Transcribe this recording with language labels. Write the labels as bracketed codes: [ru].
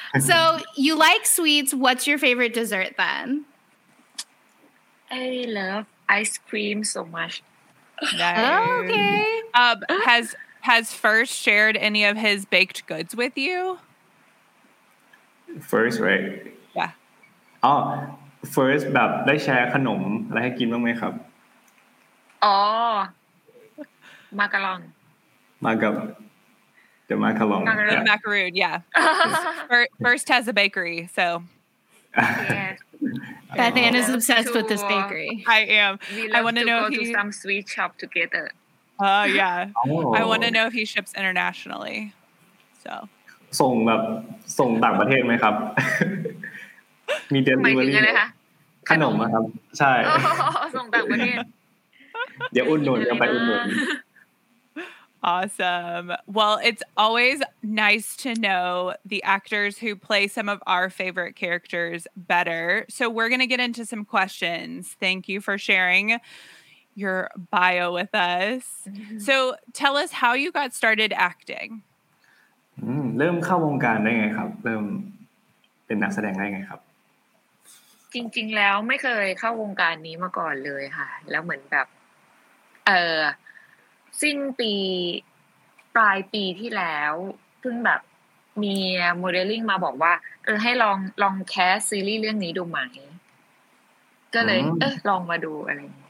[en] So you like sweets. What's your favorite dessert then? I love ice cream so much. Nice. Okay. Has First shared any of his baked goods with you? First, right? Yeah. [th] Oh, First, แบบได้แชร์ขนมอะไรให้กินบ้างไหมครับ มาการอง มากับ the macaron [en] macaroon yeah first has a bakery so Beth Ann is obsessed with this bakery I am I want to know if he goes to some sweet shop together I want to know if he ships internationally so [th] ส่งแบบส่งต่างประเทศไหมครับมีเดลิเวอรี่ ขนมอะครับใช่ส่งต่างประเทศ เดี๋ยวอุ่นหนุนกันไปอุ่นหนุน [en] Awesome. Well, it's always nice to know the actors who play some of our favorite characters better. So we're going to get into some questions. Thank you for sharing your bio with us. Mm-hmm. So tell us how you got started acting. [th] เริ่มเข้าวงการได้ไงครับเริ่มเป็นนักแสดงได้ไงครับ จริงๆแล้วไม่เคยเข้าวงการนี้มาก่อนเลยค่ะแล้วเหมือนแบบสิ้นปีปลายปีที่แล้วเพิ่งแบบมีโมเดลลิ่งมาบอกว่าให้ลองแคสซีรีส์เรื่องนี้ดูไหมก็เลยลองมาดูอะไร